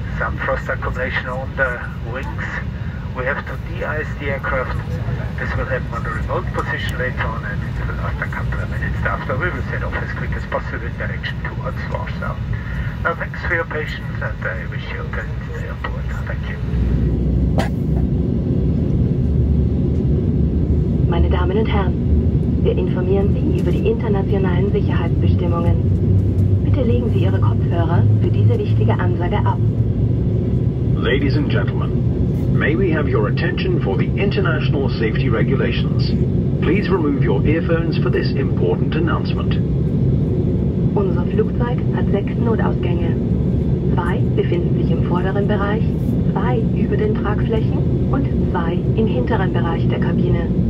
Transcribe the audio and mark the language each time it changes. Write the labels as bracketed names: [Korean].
[English] On the wings, we have to de-ice the aircraft. This will happen on a remote position later on, and it will last a couple of minutes. After, we will set off as quick as possible in direction towards Warsaw. Now, thanks for your patience, and I wish you a good day on board. Thank you. [German] Meine Damen und Herren, wir informieren Sie über die internationalen Sicherheitsbestimmungen. Bitte legen Sie Ihre Kopfhörer für diese wichtige Ansage ab. [English] Ladies and gentlemen, may we have your attention for the international safety regulations. Please remove your earphones for this important announcement. [German] Unser Flugzeug hat 6 Notausgänge. 2 befinden sich im vorderen Bereich, 2 über den Tragflächen und 2 im hinteren Bereich der Kabine.